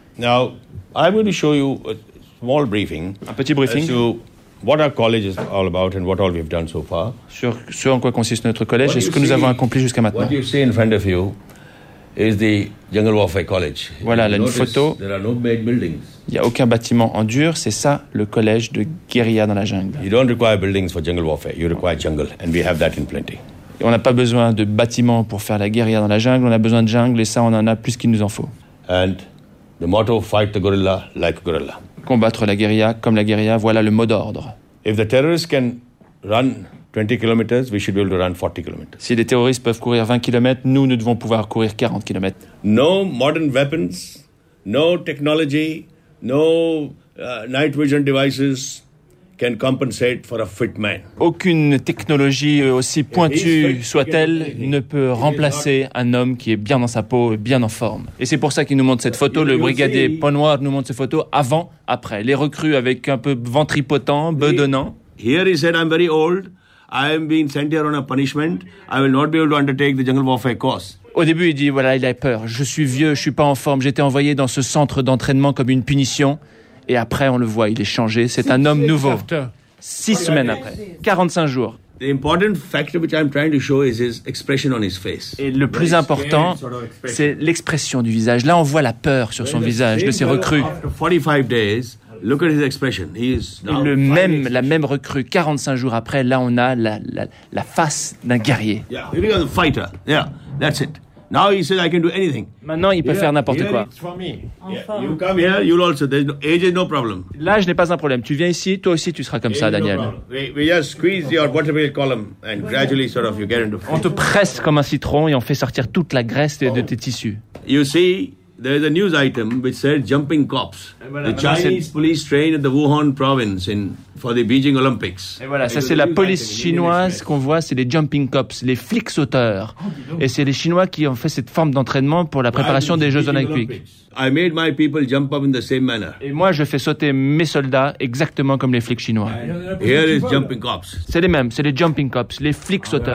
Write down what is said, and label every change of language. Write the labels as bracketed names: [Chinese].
[English] Now, I'm going to show you a small briefing. [French] Un petit briefing. [English] So, what our college is all about and what all we've done so far. [French] Sur ce en quoi consiste notre collège et ce que nous avons accompli jusqu'à maintenant. [English] What you see in front of you is the Jungle Warfare College. [French] Voilà, là, une photo. [English] There are no made buildings. [French] Il n'y a aucun bâtiment en dur. C'est ça, le collège de guérilla dans la jungle. [English] You don't require buildings for jungle warfare. You require jungle, and we have that in plenty. [French] Et on n'a pas besoin de bâtiments pour faire la guérilla dans la jungle. On a besoin de jungle, et ça, on en a plus qu'il nous en faut. [English] And the motto, fight the gorilla like a gorilla. [French] Combattre la guérilla comme la guérilla, voilà le mot d'ordre. [English] If the terrorists can run 20 kilometers, we should be able to run 40 kilometers. [French] Si les terroristes peuvent courir 20 kilomètres, nous devons pouvoir courir 40 kilomètres. [English] No modern weapons, no technology, no night vision devices can compensate for a fit man. [French] Aucune technologie aussi pointue soit-elle ne peut remplacer un homme qui est bien dans sa peau, bien en forme. Et c'est pour ça qu'il nous montre cette photo, le brigadier Ponnoir nous montre cette photo avant, après. Les recrues avec un peu ventripotent, bedonnant. [English] Here he said, I'm very old. I am being sent here on a punishment. I will not be able to undertake the jungle warfare course. [French] Au début, il dit, voilà, il a peur. Je suis vieux, je suis pas en forme. J'étais envoyé dans ce centre d'entraînement comme une punition. Et après, on le voit, il est changé. C'est un homme nouveau. Six semaines après, 45 jours. [English] The important factor which I'm trying to show is his expression on his face. [French] Et le plus important, c'est l'expression du visage. Là, on voit la peur sur son visage de ses recrues. [English] After 45 days. Look at his expression. He is now [French] le même, la même recrue, 45 jours après, là on a la face d'un guerrier. [English] Yeah, you're the fighter. Yeah, that's it. Now he says I can do anything. [French] Maintenant il peut faire n'importe quoi. [English] It's for me. Enfin. You come here, you'll also. There's no, age is no problem. [French] Là je n'ai pas un problème. Tu viens ici, toi aussi tu seras comme [English] age [French] ça, Daniel. [English] No we just squeeze your vertebral column and gradually sort of you get into. [French] On te presse comme un citron et on fait sortir toute la graisse de tes tissus. [English] You see. There is a news item which said jumping cops. The Chinese police train at the Wuhan province in for the Beijing Olympics. [French] Et voilà, ça c'est la police chinoise qu'on voit, c'est les jumping cops, les flics sauteurs. Et c'est les Chinois qui ont fait cette forme d'entraînement pour la préparation des Jeux Olympiques. [English] I made my people jump up in the same manner. [French] Et moi je fais sauter mes soldats exactement comme les flics chinois. [English] Here is jumping cops. [French] C'est les mêmes, c'est les jumping cops, les flics sauteurs.